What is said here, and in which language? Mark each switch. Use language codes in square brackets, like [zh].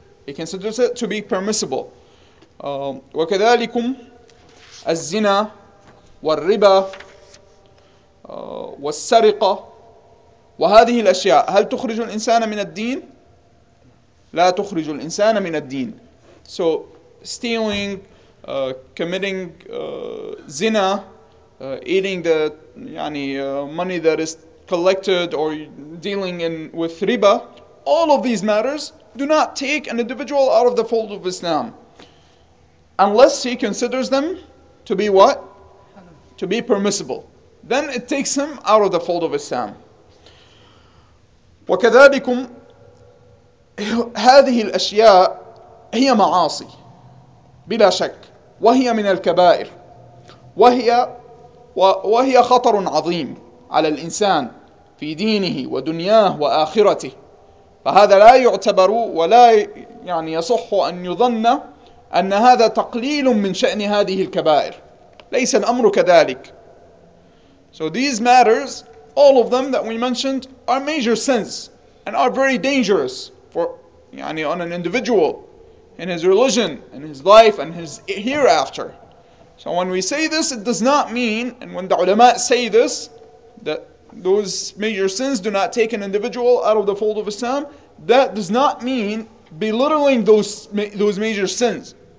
[en] He considers it to be permissible. [ar] وكذلكم الزنا والربا والسرقة وهذه الأشياء هل تخرج الإنسان من الدين؟ لا تخرج الإنسان من الدين. [en] So stealing, committing zina, eating the money that is collected, or dealing with riba, all of these matters do not take an individual out of the fold of Islam unless he considers them to be what? To be permissible. Then it takes him out of the fold of Islam. [ar] وكذلكم هذه الأشياء هي معاصي بلا شك, وهي من الكبائر, وهي خطر عظيم على الإنسان, في دينه ودنياه وآخرته، فهذا لا يعتبر ولا يعني يصح أن يظن أن هذا تقليل من شأن هذه الكبائر، ليس الأمر كذلك. [en] So these matters, all of them that we mentioned, are major sins and are very dangerous for يعني on an individual in his religion and his life and his hereafter. So when we say this, it does not mean, and when the ulama say this, that those major sins do not take an individual out of the fold of Islam, that does not mean belittling those major sins.